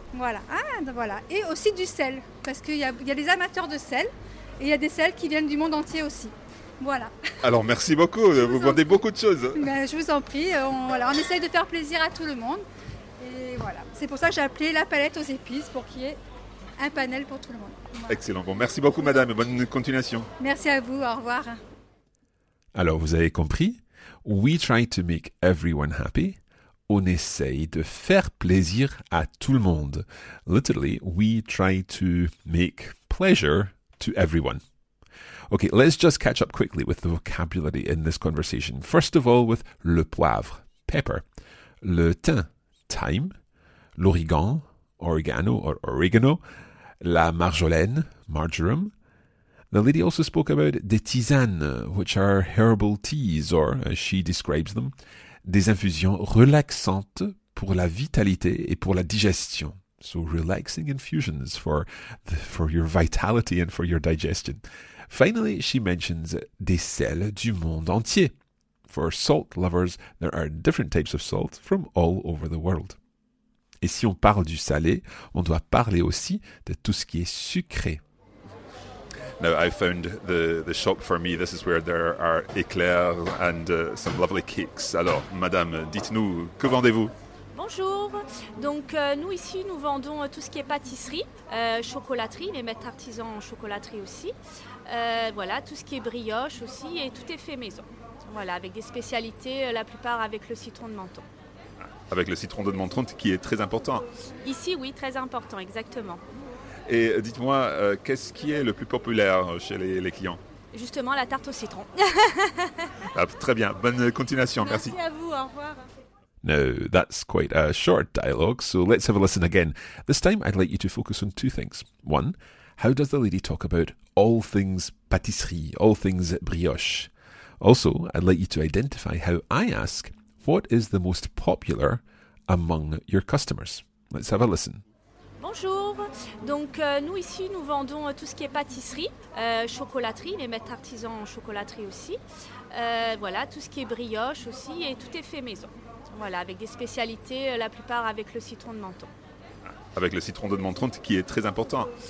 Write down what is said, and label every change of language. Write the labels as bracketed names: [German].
[French] Voilà, hein, voilà. Et aussi du sel, parce qu'il y a des amateurs de sel, et il y a des sels qui viennent du monde entier aussi. Voilà. Alors merci beaucoup, vous vendez beaucoup de choses. Ben, je vous en prie, on essaye de faire plaisir à tout le monde. Et voilà, c'est pour ça que j'ai appelé la palette aux épices, pour qu'il y ait un panel pour tout le monde. Voilà. Excellent, bon, merci beaucoup madame, bonne continuation. Merci à vous, au revoir. Alors vous avez compris, [English] we try to make everyone happy. [French] On essaye de faire plaisir à tout le monde. [English] Literally, we try to make pleasure to everyone. Okay, let's just catch up quickly with the vocabulary in this conversation. First of all, with le poivre, pepper. Le thym, thyme. L'origan, oregano or oregano. La marjolaine, marjoram. The lady also spoke about des tisanes, which are herbal teas, or as she describes them, [French] des infusions relaxantes pour la vitalité et pour la digestion. [English] So relaxing infusions for your vitality and for your digestion. Finally, she mentions [French] des sels du monde entier. [English] For salt lovers, there are different types of salt from all over the world. [French] Et si on parle du salé, on doit parler aussi de tout ce qui est sucré. [English] Now, I found the shop for me. This is where there are éclairs and some lovely cakes. [French] Alors, madame, dites-nous, que vendez-vous? Bonjour. Donc, nous ici, nous vendons tout ce qui est pâtisserie, chocolaterie, les maîtres artisans en chocolaterie aussi. Voilà, tout ce qui est brioche aussi, et tout est fait maison. Voilà, avec des spécialités, la plupart avec le citron de menton. Avec le citron de menton, qui est très important. Ici, oui, très important, exactement. Et dites-moi, qu'est-ce qui est le plus populaire chez les clients? Justement, la tarte au citron. Ah, très bien, bonne continuation, merci. Merci à vous, au revoir. [English] Now, that's quite a short dialogue, so let's have a listen again. This time, I'd like you to focus on two things. One, how does the lady talk about all things pâtisserie, all things brioche? Also, I'd like you to identify how I ask, what is the most popular among your customers? Let's have a listen. [French] Bonjour. Donc, nous ici, nous vendons tout ce qui est pâtisserie, chocolaterie, les maîtres artisans en chocolaterie aussi. Voilà, tout ce qui est brioche aussi, et tout est fait maison. Voilà, avec des spécialités, la plupart avec le citron de menton. Avec le citron de menton, qui est très important.